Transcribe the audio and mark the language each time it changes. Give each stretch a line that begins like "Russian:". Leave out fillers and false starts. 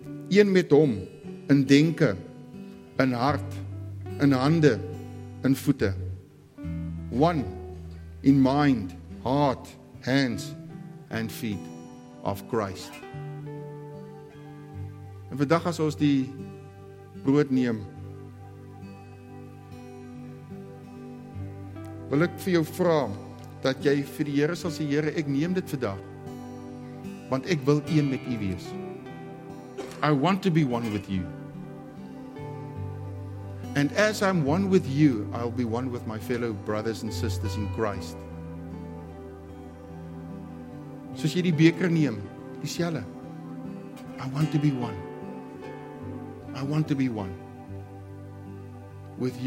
Afrikaans: Een met hom, in denke, in hart, in hande, in voete.
English: One in mind, heart, hands and feet of Christ.
Afrikaans: En vandag as ons die brood neem, wil ek vir jou vra, dat jy vir die Here sal sê, Here, ek neem dit vandag, want ek wil een met u wees.
English: I want to be one with you. And as I'm one with you, I'll be one with my fellow brothers and sisters in Christ.
Afrikaans: Soos jy die beker neem, dieselfde.
English: I want to be one. I want to be one with you.